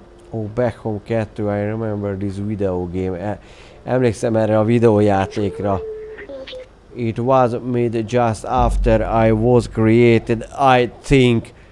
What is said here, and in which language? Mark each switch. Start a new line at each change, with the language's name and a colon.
English: Oh, Back Home 2, I remember this video game.
Hungarian: Emlékszem erre a videójátékra.
English: It was made just after I was created, I think.